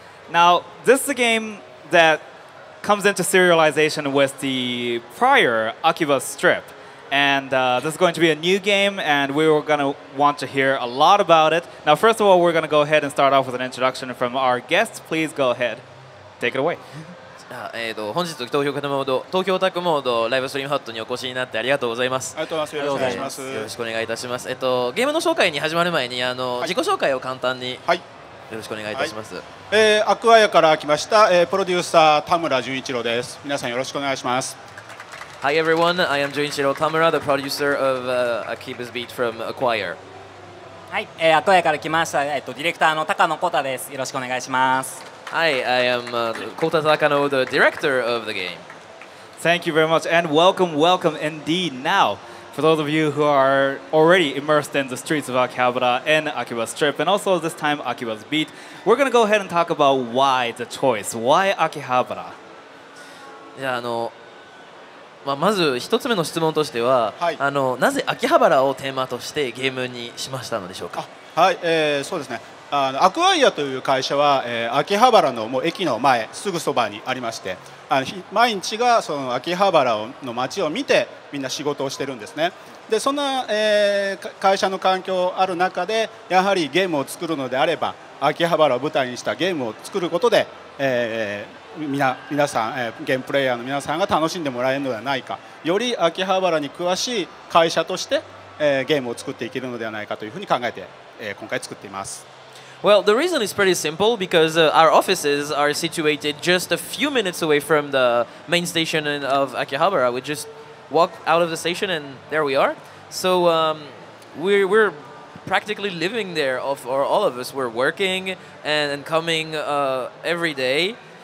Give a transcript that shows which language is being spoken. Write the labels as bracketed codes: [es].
[en] Now, this is a game that comes into serialization with the prior Akiba strip. And this is going to be a new game, and we were going to want to hear a lot about it. Now, first of all, we're going to go ahead and start off with an introduction from our guests. Please go ahead. Take it away. [ja] 本日、東京オタクモード、東京オタクモードライブストリームハットにお越しになってありがとうございます。ありがとうございます。よろしくお願いします。よろしくお願いいたします。ゲームの紹介に始まる前に、自己紹介を簡単に。はい。よろしくお願いいたします。はい。アクアヤから来ました、プロデューサー、田村純一郎です。皆さんよろしくお願いします。 [en] Hi everyone, I am Junichiro Tamura, the producer of Akiba's Beat from Acquire. Hi, [ja] Acquire から来ました、director の高野Kota です。よろしくお願いします。 [en] Hi, I am Kota Takano, the director of the game. Thank you very much, and welcome, welcome indeed. Now, for those of you who are already immersed in the streets of Akihabara and Akiba's Strip, and also this time Akiba's Beat, we're going to go ahead and talk about why the choice. Why Akihabara? Yeah, [ja] まあ、まず一つ目の質問としては、はい、なぜ秋葉原をテーマとしてゲームにしましたのでしょうか。あ、はい、そうですね。アクアイアという会社は、秋葉原のもう駅の前すぐそばにありまして、毎日がその秋葉原の街を見てみんな仕事をしてるんですね。でそんな、会社の環境ある中で、やはりゲームを作るのであれば秋葉原を舞台にしたゲームを作ることで、皆さん、ゲームプレイヤーの皆さんが楽しんでもらえるのではないか、より秋葉原に詳しい会社として、ゲームを作っていけるのではないかというふうに考えて、今回作っています。 [en] Well, the reason is pretty simple, because our offices are situated just a few minutes away from the main station of Akihabara. We just walk out of the station and there we are. So we're practically living there, or all of us. We're working and coming every day.